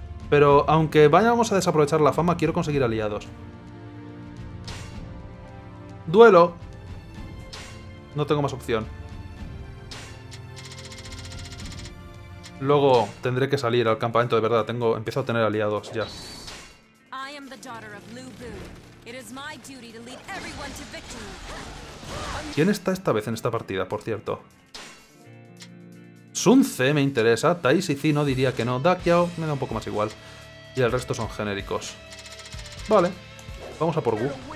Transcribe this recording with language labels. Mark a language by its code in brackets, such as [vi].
[es] Pero aunque vayamos a desaprovechar la fama, quiero conseguir aliados. ¡Duelo! No tengo más opción. Luego tendré que salir al campamento de verdad. Empiezo a tener aliados ya. [en] I am the daughter of Lu Bu. It is my duty to lead everyone to victory. [es] ¿Quién está esta vez en esta partida, por cierto? Sun Ce me interesa. Tai Si Zi no diría que no. Da Qiao me da un poco más igual. Y el resto son genéricos. Vale. Vamos a por Wu.